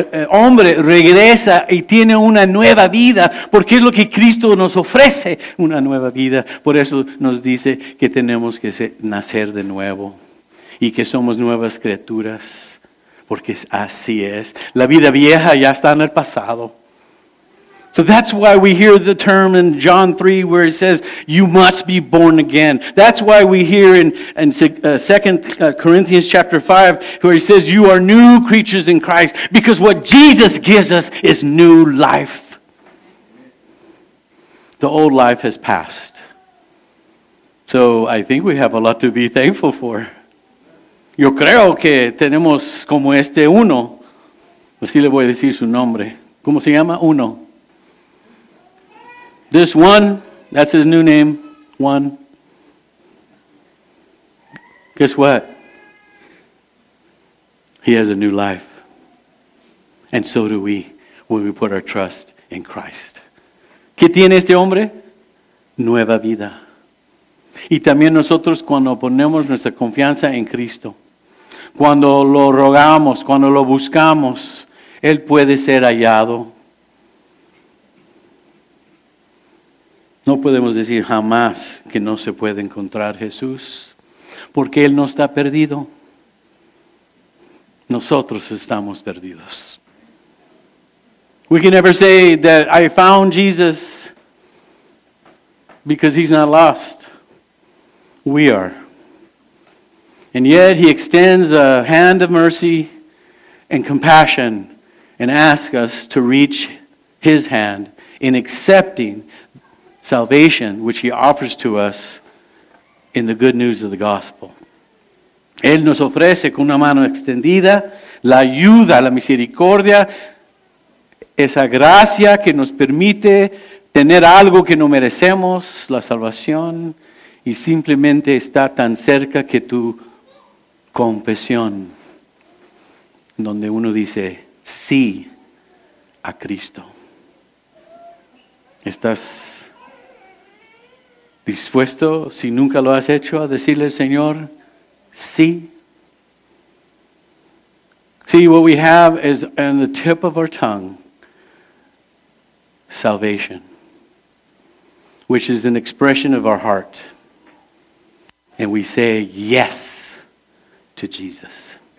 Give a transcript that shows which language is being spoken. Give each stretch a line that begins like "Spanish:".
Spanish: hombre regresa y tiene una nueva vida, porque es lo que Cristo nos ofrece, una nueva vida. Por eso nos dice que tenemos que nacer de nuevo y que somos nuevas criaturas, porque así es. La vida vieja ya está en el pasado.
English: So that's why we hear the term in John 3 where it says, you must be born again. That's why we hear in 2 Corinthians chapter 5 where it says, you are new creatures in Christ, because what Jesus gives us is new life. The old life has passed. So I think we have a lot to be thankful for.
Spanish: Yo creo que tenemos como este uno. Así le voy a decir su nombre. ¿Cómo se llama? Uno.
English: This one, that's his new name, one. Guess what? He has a new life. And so do we when we put our trust in Christ.
Spanish: ¿Qué tiene este hombre? Nueva vida. Y también nosotros cuando ponemos nuestra confianza en Cristo, cuando lo rogamos, cuando lo buscamos, Él puede ser hallado. No podemos decir jamás que no se puede encontrar Jesús, porque Él no está perdido. Nosotros estamos perdidos.
English: We can never say that I found Jesus because He's not lost. We are. And yet He extends a hand of mercy and compassion and asks us to reach His hand in accepting salvation, which He offers to us in the good news of the gospel.
Spanish: Él nos ofrece con una mano extendida la ayuda, la misericordia, esa gracia que nos permite tener algo que no merecemos, la salvación, y simplemente está tan cerca que tu confesión, donde uno dice sí a Cristo. Estás dispuesto, si nunca lo has hecho, a decirle al Señor, sí.
English: See, what we have is on the tip of our tongue, salvation, which is an expression of our heart. And we say yes to Jesus.